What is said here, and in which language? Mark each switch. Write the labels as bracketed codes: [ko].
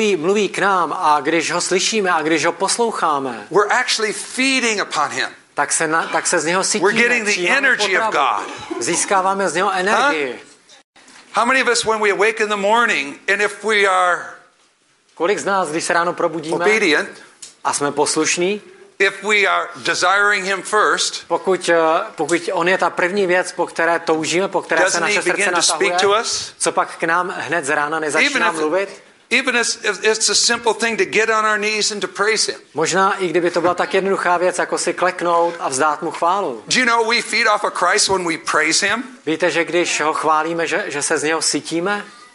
[cs] Mluví k nám a když ho slyšíme a když ho posloucháme. [en] We're actually feeding upon him. [cs] Tak se z něho sytíme. [en] We're getting the energy of God. [cs] Získáváme z něho energii. [en] How many of us when we awake in the morning and if we are [cs] kolik z nás, když se ráno probudíme [en] obedient, [cs] a jsme poslušní, [en] if we are desiring him first, [cs] pokud on je ta první věc, po které toužíme, po které se naše srdce natahuje, co pak k nám hned z rána nezačíná mluvit? [en] Even if it's a simple thing to get on our knees and to praise him. [cs] Možná i kdyby to byla tak jednoduchá věc, jako si kleknout a vzdát mu chválu. [en] Do you know we feed off of Christ when we praise him? [cs] Víte, že když ho chválíme, že se z něho sytíme?